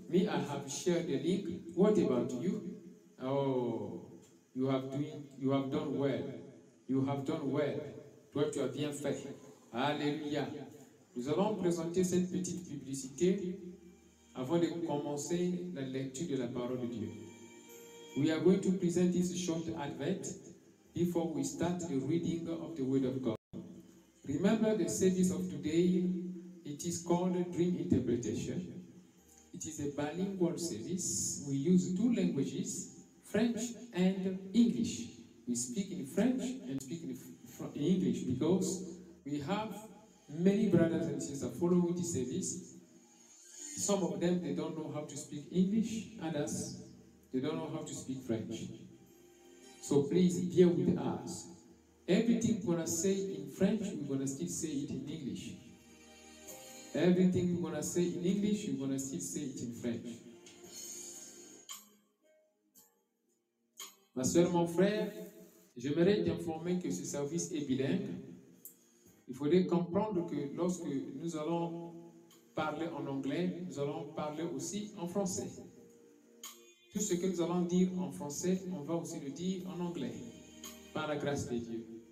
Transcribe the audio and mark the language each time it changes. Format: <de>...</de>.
<en>Me, I have shared the link. What about you? Oh, you have done well. You have done well.</en> <fr>Toi, tu as bien fait.</fr> <en>Alléluia.</en> <fr>Nous allons présenter cette petite publicité avant de commencer la lecture de la parole de Dieu.</fr> <en>We are going to present this short advert before we start the reading of the Word of God. Remember the service of today. It is called Dream Interpretation. It is a bilingual service. We use two languages, French and English. We speak in French and speak in English because we have many brothers and sisters following this service. Some of them, they don't know how to speak English. Others, they don't know how to speak French. So please, bear with us. Everything we're going to say in French, we're going to still say it in English. Everything we're going to say in English, we're going to still say it in French.</en> <fr>Ma soeur, mon frère, j'aimerais t'informer que ce service est bilingue. Il faudrait comprendre que lorsque nous allons parler en anglais, nous allons parler aussi en français. Tout ce que nous allons dire en français, on va aussi le dire en anglais, par la grâce de Dieu.</fr>